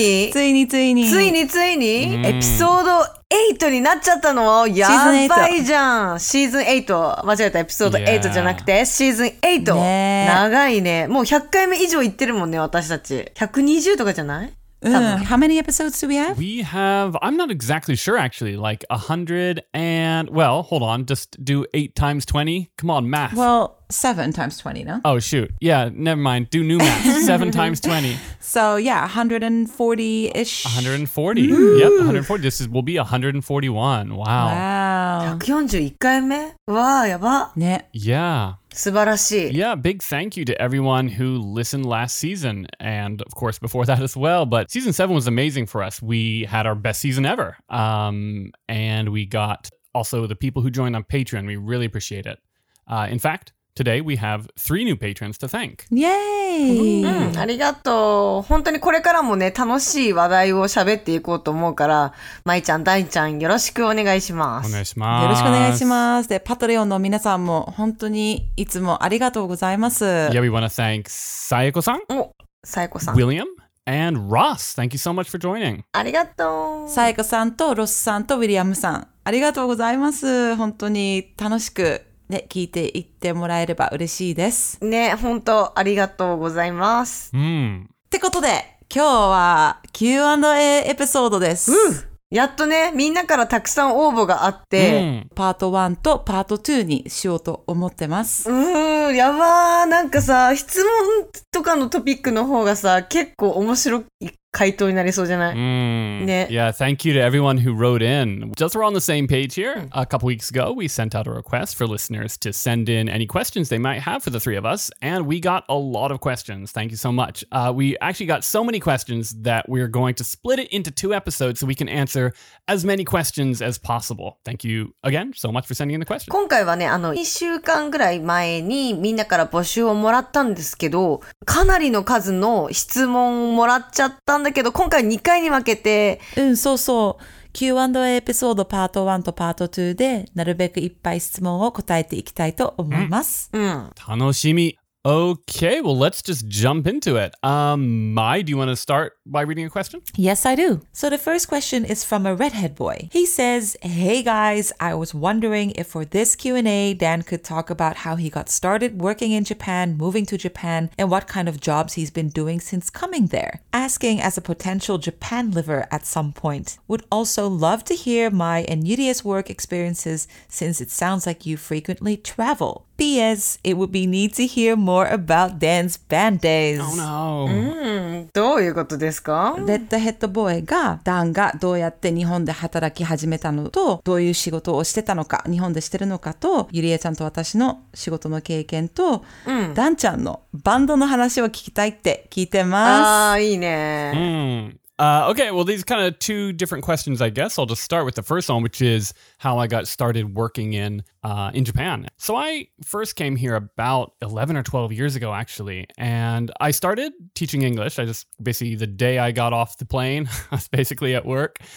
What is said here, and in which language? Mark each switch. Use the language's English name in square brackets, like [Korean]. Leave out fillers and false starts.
[Japanese] ついに、エピソード8になっちゃったの。やばいじゃん。シーズン8。間違えた、エピソード8じゃなくて、yeah. シーズン8、ね。長いね。もう100回目以上行ってるもんね、私たち。 120とかじゃない? [English] How many episodes do we have? We have, I'm not exactly sure actually, like 100 and, well, hold on, just do 8 times 20. Come on, math. Well, 7 times 20, no? Oh, shoot. Yeah, never mind. Do new math. 7 times 20. So, yeah, 140-ish. 140. Ooh. Yep, 140. This is, will be 141. Wow. [Japanese] Wow. 141回目?Wow, yaba. [English] Yeah. [Japanese] 素晴らしい。 [English] Yeah, big thank you to everyone who listened last season. And of course, before that as well. But season 7 was amazing for us. We had our best season ever. And we got also the people who joined on Patreon. We really appreciate it. In fact, today we have 3 new patrons to thank. Yay! [Japanese] ありがとう。本当にこれからもね、楽しい話題を喋っていこうと思うから、まいちゃん、だいちゃん、よろしくお願いします。お願いします。よろしくお願いします。で、パトレオンの皆さんも本当にいつもありがとうございます。 [English] Yeah, we want to thank さえこさん。 [Japanese] お、さえこさん。 [English] William? And Ross, thank you so much for joining. [Japanese] ありがとう。サイコさんとロスさんとウィリアムさん、ありがとうございます。本当に楽しく、ね、聞いていってもらえれば嬉しいです。ね、本当ありがとうございます。うん。ってことで、今日は Q&A エピソードです。やっとね、みんなからたくさん応募があって、うん、パート1とパート2にしようと思ってます。やばー、なんかさ、質問とかのトピックの方がさ、結構面白い回答になりそうじゃない?、うん、ね。 Yeah, thank you to everyone who wrote in. Just we're on the same page here. A couple weeks ago, we sent out a request for listeners to send in any questions they might have for the three of us, and we got a lot of questions. Thank you so much. We actually got so many questions that we're going to split it into 2 episodes so we can answer as many questions as possible. Thank you again so much for sending in the questions. 今回はね、1週間ぐらい前にみんなから募集をもらったんですけど、かなりの数の質問をもらっちゃったんだけど、今回2回に分けて、うん、そうそう、Q&A エピソードパート1とパート2でなるべくいっぱい質問を答えていきたいと思います。うん。楽しみ。 [English] Okay, well, let's just jump into it. Mai, do you want to start by reading a question? Yes, I do. So the first question is from a redhead boy. He says, Hey guys, I was wondering if for this Q&A, Dan could talk about how he got started working in Japan, moving to Japan, and what kind of jobs he's been doing since coming there. Asking as a potential Japan liver at some point. Would also love to hear Mai and Yuri's work experiences since it sounds like you frequently travel. P.S. It would be neat to hear more about Dan's band days. Oh no. [Japanese] どういうことですか? レッドヘッドボーイが、ダンがどうやって日本で働き始めたのと、どういう仕事をしてたのか、日本でしてるのかと、ゆりえちゃんと私の仕事の経験と、ダンちゃんのバンドの話を聞きたいって聞いてます。ああ、いいね。 [English] Okay, well, these are kind of 2 different questions, I guess. I'll just start with the first one, which is how I got started working in Japan. So I first came here about 11 or 12 years ago, actually, and I started teaching English. I just basically, the day I got off the plane, I was basically at work.